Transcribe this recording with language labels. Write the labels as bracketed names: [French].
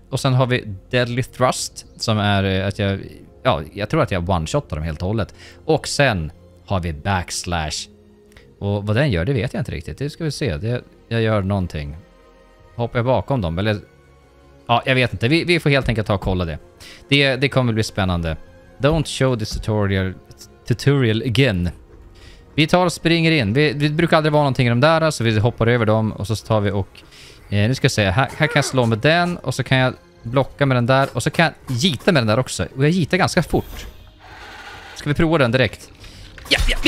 [Swedish] Och sen har vi deadly thrust. Som är att jag... Ja, jag tror att jag one-shotar dem helt och hållet. Och sen har vi backslash. Och vad den gör, det vet jag inte riktigt. Det ska vi se. Jag gör någonting. Hoppar jag bakom dem? Eller... Ja, jag vet inte. Vi får helt enkelt ta och kolla det. Det kommer bli spännande. [English] Don't show this tutorial again. [Swedish] Vi tar och springer in. Vi brukar aldrig vara någonting i de där. Så vi hoppar över dem. Och så tar vi och... nu ska jag säga. Här kan jag slå med den. Och så kan jag blocka med den där. Och så kan jag gita med den där också. Och jag gitar ganska fort. Ska vi prova den direkt? Ja.